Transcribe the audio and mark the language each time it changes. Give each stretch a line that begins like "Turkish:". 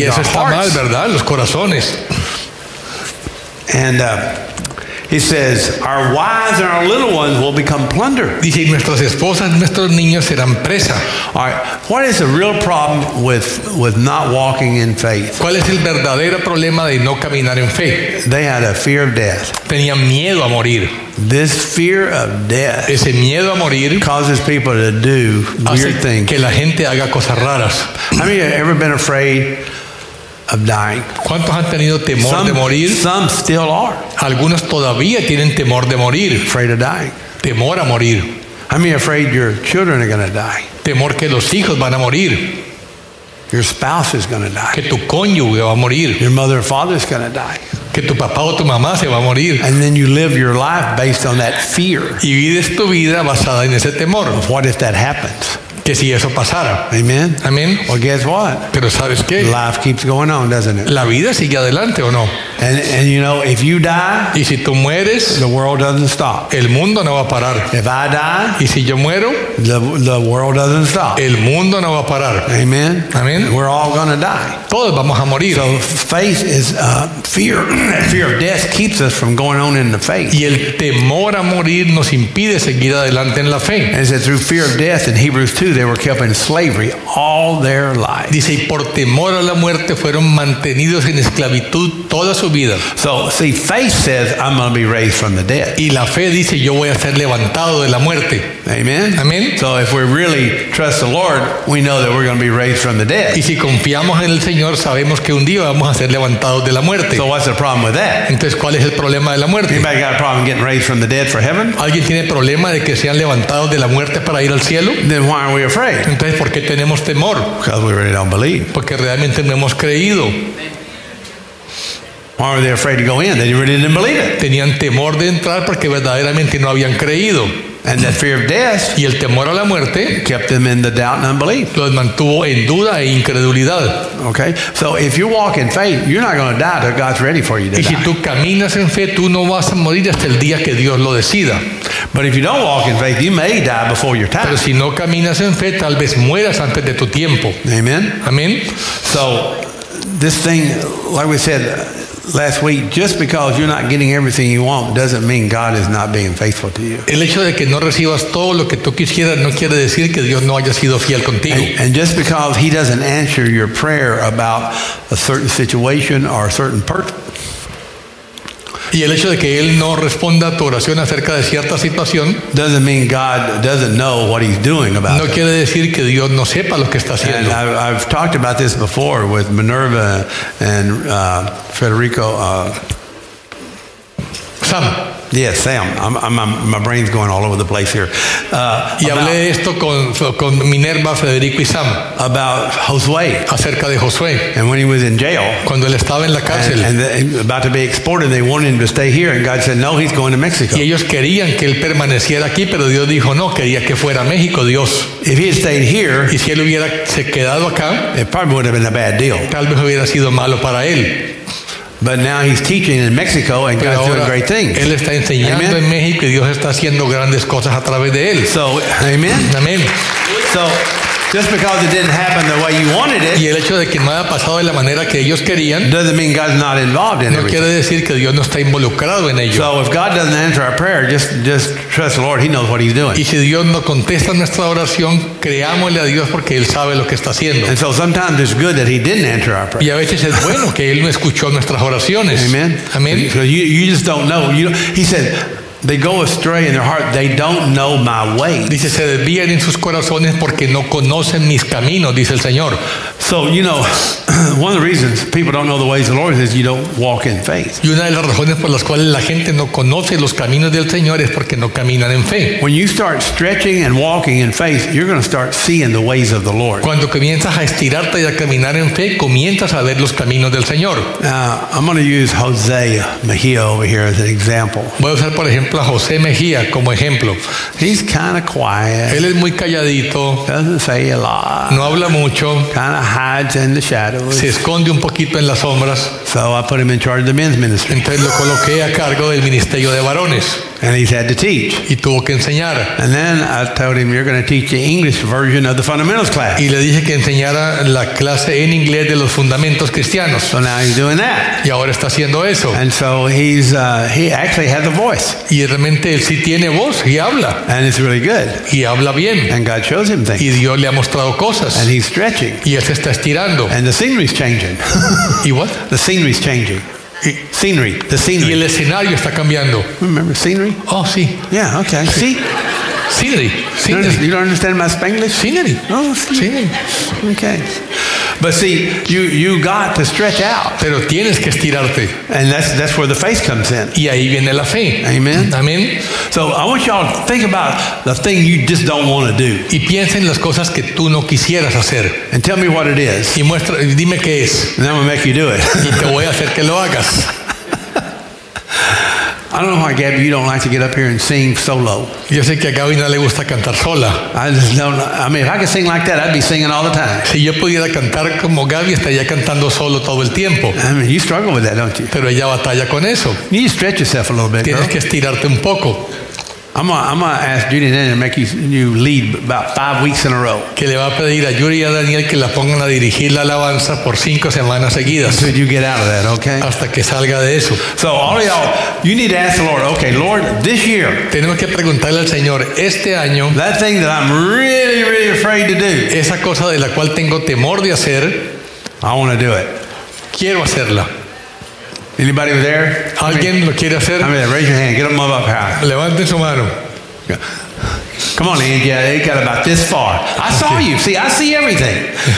Spanish: y eso está
English: hearts.
Spanish: Mal, ¿verdad? Los corazones.
English: And he says, our wives and our little ones will become plunder.
Spanish: Dice, nuestras esposas, nuestros niños serán presa.
English: All right, what is the real problem with not walking in faith?
Spanish: ¿Cuál es el verdadero problema de no caminar en fe?
English: They had a fear of death.
Spanish: Tenían miedo a morir.
English: This fear of death,
Spanish: ese miedo a morir,
English: causes people to do weird things.
Spanish: Que la gente haga cosas raras.
English: How many of you have ever been afraid of dying?
Spanish: ¿Cuántos han tenido temor de morir?
English: Some still are.
Spanish: Algunos todavía tienen temor de morir.
English: Afraid of dying.
Spanish: Temor a morir.
English: How many are afraid your children are going to die?
Spanish: Temor que los hijos van a morir.
English: Your spouse is going to die.
Spanish: Que tu cónyuge va a morir.
English: Your mother or father is going to die.
Spanish: Que tu papá o tu mamá se va a morir.
English: And then you live your life based on that fear.
Spanish: Y vives tu vida basada en ese temor.
English: What if that happens?
Spanish: Que si eso pasara.
English: Amen.
Spanish: Amen.
English: Well, guess what?
Spanish: Pero sabes qué?
English: Life keeps going on, doesn't it?
Spanish: La vida sigue adelante, ¿o no?
English: And you know, if you die,
Spanish: y si tú mueres,
English: the world doesn't stop.
Spanish: El mundo no va a parar.
English: If I die,
Spanish: y si yo muero,
English: the world doesn't stop.
Spanish: El mundo no va a parar.
English: Amen.
Spanish: Amen.
English: We're all gonna die.
Spanish: Todos vamos a morir.
English: So faith is fear. Fear of death keeps us from going on in the faith.
Spanish: Y el temor a morir nos impide seguir adelante en la fe.
English: And it says through fear of death in Hebrews 2, they were kept in slavery all their lives.
Spanish: Dice, y por temor a la muerte fueron mantenidos en esclavitud toda su vida.
English: So, see, faith says, I'm going to be raised from the dead.
Spanish: Y la fe dice, yo voy a ser levantado de la muerte.
English: Amen. Amen. So, if we really trust the Lord, we know that we're going to be raised from the dead.
Spanish: Y si confiamos en el Señor, sabemos que un día vamos a ser levantados de la muerte.
English: So, what's the problem with that?
Spanish: Entonces, ¿cuál es el problema de la muerte?
English: Anybody got a problem getting raised from the dead for heaven?
Spanish: ¿Alguien tiene problema de que sean levantados de la muerte para ir al cielo?
English: Then why are we afraid?
Spanish: Entonces, ¿por qué tenemos temor?
English: Because we really don't believe.
Spanish: Porque realmente no hemos creído.
English: Why were they afraid to go in? They really didn't believe it.
Spanish: Tenían temor de entrar porque verdaderamente no habían creído.
English: And that fear of death,
Spanish: y el temor a la muerte,
English: kept them in the doubt and unbelief.
Spanish: Los mantuvo en duda e incredulidad.
English: Okay. So if you walk in faith, you're not going to die till God's ready for you to die.
Spanish: Y si tú caminas en fe, tú no vas a morir hasta el día que Dios lo decida.
English: But if you don't walk in faith, you may die before your time.
Spanish: Pero si no caminas en fe, tal vez mueras antes de tu tiempo.
English: Amen.
Spanish: Amen.
English: So this thing, like we said last week, just because you're not getting everything you want doesn't mean God is not being faithful to you.
Spanish: El hecho de que no recibas todo lo que tú quisieras no quiere decir que Dios no haya sido fiel contigo.
English: And just because he doesn't answer your prayer about a certain situation or a certain person
Spanish: Y el hecho de que él no responda a tu oración acerca de cierta situación
English: doesn't mean God doesn't know what he's doing about
Spanish: no quiere decir que Dios no sepa lo que está haciendo.
English: And I've talked about this before with Minerva and Federico. Sam. Yes, Sam. My brain's going all over the place here.
Spanish: Y hablé de esto con Minerva, Federico y Sam.
English: About Josué.
Spanish: Acerca de Josué.
English: And when he was in jail.
Spanish: Cuando él estaba en la cárcel.
English: About to be exported, they wanted him to stay here, and God said, "No, he's going to Mexico."
Spanish: Y ellos querían que él permaneciera aquí, pero Dios dijo no. Quería que fuera a México. Dios.
English: If he had stayed here.
Spanish: Y si él hubiera se quedado acá.
English: It probably would have been a bad deal.
Spanish: Tal vez hubiera sido malo para él.
English: But now he's teaching in Mexico, and
Spanish: pero
English: God's
Spanish: ahora,
English: doing great things.
Spanish: Él está enseñando
English: amen?
Spanish: En México y Dios está haciendo grandes cosas a través de él.
English: So, amen.
Spanish: Amen.
English: So, just because it didn't happen the way you wanted it.
Spanish: Y el hecho de que no haya pasado de la manera que ellos querían.
English: Doesn't mean God's not involved in
Spanish: it. No quiere decir que Dios no está involucrado en ello.
English: So if God doesn't answer our prayer, just trust the Lord. He knows what he's doing.
Spanish: Y si Dios no contesta nuestra oración, creámosle a Dios porque él sabe lo que está haciendo.
English: And so sometimes it's good that he didn't answer our prayer.
Spanish: Y a veces es bueno que él no escuchó nuestras oraciones.
English: Amen. Amen. So you just don't know. He said. They go astray in their heart. They don't know my ways.
Spanish: Dice, se desvían en sus corazones porque no conocen mis caminos, dice el Señor.
English: So, you know, one of the reasons people don't know the ways of the Lord is you don't walk in faith.
Spanish: Y una de las razones por las cuales la gente no conoce los caminos del Señor es porque no caminan en fe.
English: When you start stretching and walking in faith, you're going to start seeing the ways of the Lord.
Spanish: Cuando comienzas a estirarte y a caminar en fe, comienzas a ver los caminos del Señor.
English: I'm going to use Jose Mejia over here as an example.
Spanish: Voy a usar, por ejemplo, a José Mejía como ejemplo.
English: He's kind of quiet.
Spanish: Él es muy calladito.
English: Doesn't say a lot.
Spanish: No habla mucho.
English: Kind of hides in the shadows.
Spanish: Se esconde un poquito en las sombras.
English: So I put him in charge of the men's ministry.
Spanish: Entonces lo coloqué a cargo del ministerio de varones.
English: And he's had to teach.
Spanish: Y tuvo que enseñar.
English: And then I told him, "You're going to teach the English version of the fundamentals class."
Spanish: Y le dije que enseñara la clase en inglés de los fundamentos cristianos.
English: So now he's doing that.
Spanish: Y ahora está haciendo eso.
English: And so he actually has a voice.
Spanish: Y realmente él sí tiene voz y habla.
English: And it's really good.
Spanish: Y habla bien.
English: And God shows him things.
Spanish: Y Dios le ha mostrado cosas.
English: And he's stretching.
Spanish: Y él se está estirando.
English: And the scenery's changing.
Spanish: ¿Y what?
English: The scenery's changing. Scenery, the scenery.
Spanish: Y el escenario está cambiando.
English: Remember scenery?
Spanish: Oh, sí.
English: Yeah, okay.
Spanish: Sí.
English: See? Scenery. Scenery. You don't understand my Spanish? Scenery. Oh, scenery. Okay. But see, you got to stretch out.
Spanish: Pero tienes que estirarte.
English: And that's where the faith comes in.
Spanish: Y ahí viene la fe.
English: Amen.
Spanish: Amen.
English: So I want y'all to think about the thing you just don't want to do.
Spanish: Y piensa en las cosas que tú no quisieras hacer.
English: And tell me what it is.
Spanish: Y muestra, dime qué es.
English: And I'm gonna make you do it.
Spanish: Y te voy a hacer que lo hagas.
English: I don't know why, Gabby, you don't like to get up here and sing solo.
Spanish: Yo sé que a Gabby no le gusta cantar sola.
English: I just don't know. I mean, if I could sing like that, I'd be singing all the time.
Spanish: Si yo pudiera cantar como Gabby, estaría cantando solo todo el tiempo.
English: I mean, you struggle with that, don't you?
Spanish: Pero ella batalla con eso.
English: You need to stretch yourself a little bit,
Spanish: tienes
English: girl.
Spanish: Que estirarte un poco.
English: I'm gonna ask Judy and Daniel to make you lead about 5 weeks in a row.
Spanish: Que le va a pedir a Judy y a Daniel que la pongan a dirigir la alabanza por 5 semanas seguidas.
English: Until you get out of that, okay?
Spanish: Hasta que salga de eso.
English: So all y'all, you need to ask the Lord. Okay, Lord, this year.
Spanish: Tenemos que preguntarle al Señor este año.
English: That thing that I'm really, really afraid to do.
Spanish: Esa cosa de la cual tengo temor de hacer.
English: I want to do it.
Spanish: Quiero hacerla.
English: Anybody over there?
Spanish: ¿Alguien lo quiere hacer?
English: I mean, raise your hand. Get them all up high.
Spanish: Levante su mano.
English: Come on, Angie. They got about this far. I saw you. See, I see everything.